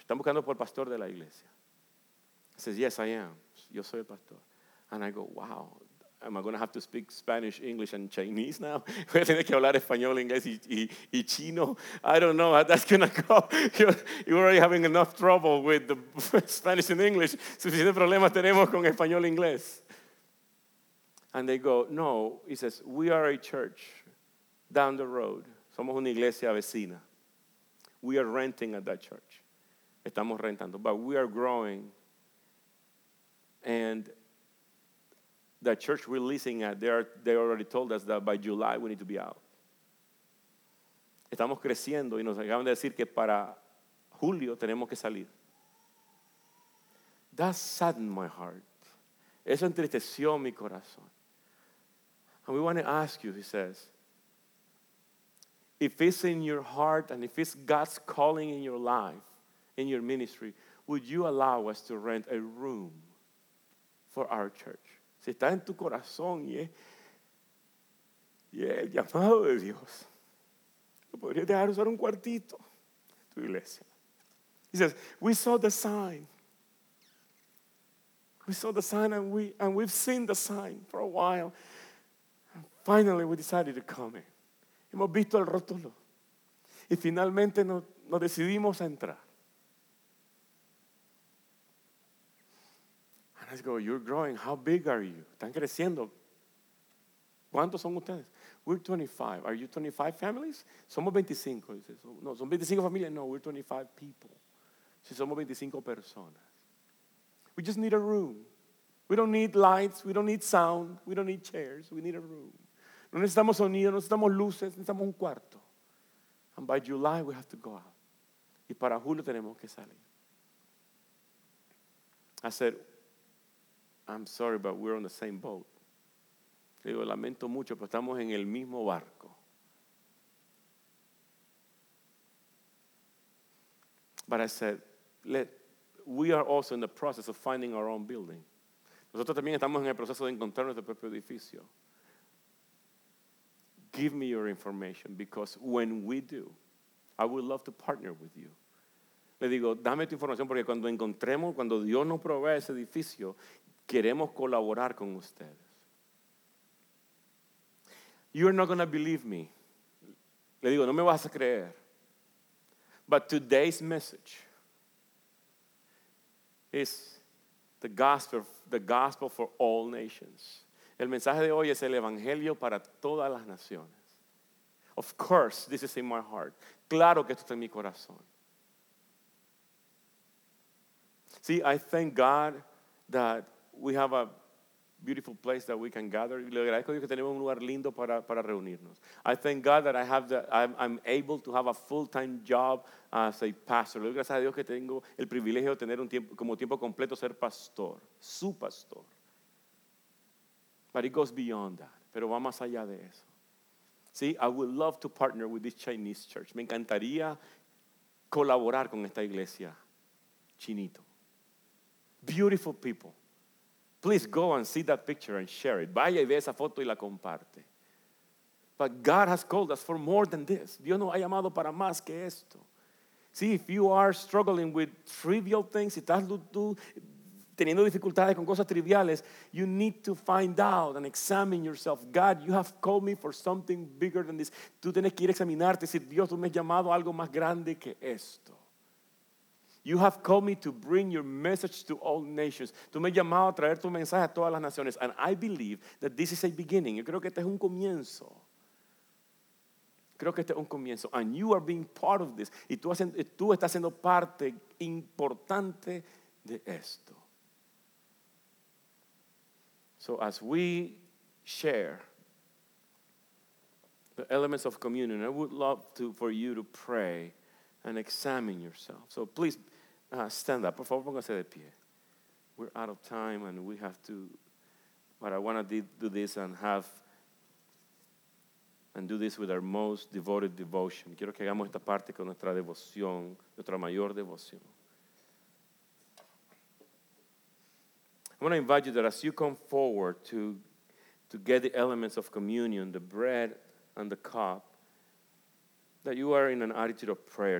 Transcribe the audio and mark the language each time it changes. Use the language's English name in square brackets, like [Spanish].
[Spanish] Están buscando por el pastor de la iglesia. [English] He says, yes, I am. [Spanish] Yo soy el pastor. [English] And I go, wow. Am I going to have to speak Spanish, English, and Chinese now? [Spanish] Voy a tener que hablar español, inglés, y chino. [English] I don't know how that's going to go. You're already having enough trouble with the Spanish and English. [Spanish] Suficientes problemas tenemos con español e inglés. [English] And they go, no. He says, we are a church down the road. [Spanish] Somos una iglesia vecina. [English] We are renting at that church. [Spanish] Estamos rentando. [English] But we are growing. And the church we're leasing at, they already told us that by July we need to be out. [Spanish] Estamos creciendo y nos acaban de decir que para julio tenemos que salir. [English] That saddened my heart. [Spanish] Eso entristeció mi corazón. [English] And we want to ask you, he says, if it's in your heart and if it's God's calling in your life, in your ministry, would you allow us to rent a room for our church? [Spanish] Si está en tu corazón y el llamado de Dios, ¿lo podrías dejar usar un cuartito tu iglesia? [English] He says, we saw the sign. We saw the sign and we've seen the sign for a while. And finally, we decided to come in. [Spanish] Hemos visto el rótulo. Y finalmente nos decidimos a entrar. [English] And I go, you're growing. How big are you? [Spanish] Están creciendo. ¿Cuántos son ustedes? [English] We're 25. Are you 25 families? [Spanish] Somos 25. [English] He says, no, [Spanish] son 25 familias. [English] No, we're 25 people. [Spanish] Si somos 25 personas. [English] We just need a room. We don't need lights. We don't need sound. We don't need chairs. We need a room. [Spanish] No necesitamos sonido. No necesitamos luces. Necesitamos un cuarto. [English] And by July, we have to go out. [Spanish] Y para julio tenemos que salir. [English] I said, I'm sorry, but we're on the same boat. [Spanish] Le digo, lamento mucho, pero estamos en el mismo barco. [English] But I said, we are also in the process of finding our own building. [Spanish] Nosotros también estamos en el proceso de encontrar nuestro propio edificio. [English] Give me your information, because when we do, I would love to partner with you. [Spanish] Le digo, dame tu información, porque cuando encontremos, cuando Dios nos provea ese edificio, queremos colaborar con ustedes. [English] You're not going to believe me. [Spanish] Le digo, no me vas a creer. [English] But today's message is the gospel for all nations. [Spanish] El mensaje de hoy es el evangelio para todas las naciones. [English] Of course, this is in my heart. [Spanish] Claro que esto está en mi corazón. [English] See, I thank God that we have a beautiful place that we can gather. [Spanish] Le agradezco a Dios que tenemos un lugar lindo para reunirnos. [English] I thank God that I'm able to have a full-time job as a pastor. [Spanish] Le doy gracias a Dios que tengo el privilegio de tener un tiempo como tiempo completo ser pastor, su pastor. [English] But it goes beyond that. [Spanish] Pero va más allá de eso. [English] See, I would love to partner with this Chinese church. [Spanish] Me encantaría colaborar con esta iglesia chinito. [English] Beautiful people. Please go and see that picture and share it. [Spanish] Vaya y ve esa foto y la comparte. [English] But God has called us for more than this. [Spanish] Dios nos ha llamado para más que esto. [English] See, if you are struggling with trivial things, [Spanish] si estás tú teniendo dificultades con cosas triviales, [English] you need to find out and examine yourself. God, you have called me for something bigger than this. [Spanish] Tú tienes que ir a examinarte. Si Dios, tú me has llamado a algo más grande que esto. [English] You have called me to bring your message to all nations. [Spanish] Tú me has llamado a traer tu mensaje a todas las naciones. [English] And I believe that this is a beginning. [Spanish] Yo creo que este es un comienzo. Creo que este es un comienzo. [English] And you are being part of this. [Spanish] Y tú estás siendo parte importante de esto. [English] So as we share the elements of communion, I would love for you to pray and examine yourself. So please, stand up. [Spanish] Por favor, póngase de pie. [English] We're out of time and we have to, but I want to do this and do this with our most devoted devotion. [Spanish] Quiero que hagamos esta parte con nuestra devoción, nuestra mayor devoción. [English] I want to invite you that as you come forward to get the elements of communion, the bread and the cup, that you are in an attitude of prayer.